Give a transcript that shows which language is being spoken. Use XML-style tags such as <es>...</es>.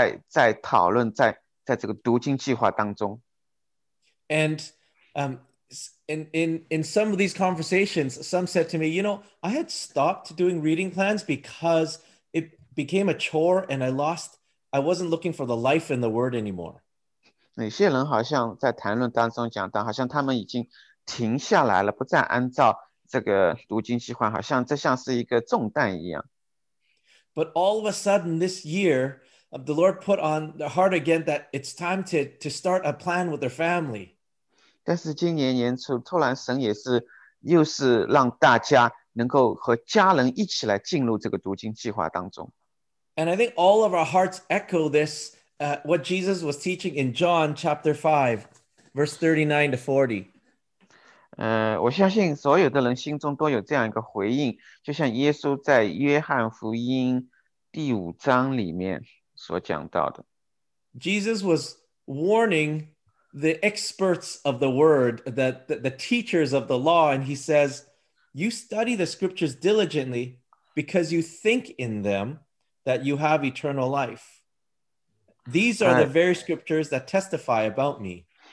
<zh>当我们在挖得更深来讨论这个读经计划的时候，我们发现有很多人都是在讨论在这个读经计划当中。</zh> <en>And In some of these conversations, some said to me, you know, I had stopped doing reading plans because it became a chore and I wasn't looking for the life in the word anymore.</en> <zh>有些人好像在谈论当中讲到，好像他们已经停下来了，不再按照这个读经计划，好像这像是一个重担一样。</zh> <en>But all of a sudden this year, the Lord put on the heart again that it's time to start a plan with their family.</en> <zh>但是今年年初，突然神也是，又是让大家能够和家人一起来进入这个读经计划当中。</zh> <en>And I think all of our hearts echo this, what Jesus was teaching in John chapter 5, verse 39 to 40.</en> <zh>我相信所有的人心中都有这样一个回应，就像耶稣在约翰福音第五章里面所讲到的。</zh> <en>Jesus was warning the experts of the word, the teachers of the law, and he says, you study the scriptures diligently because you think in them that you have eternal life. These are the very scriptures that testify about me.</en>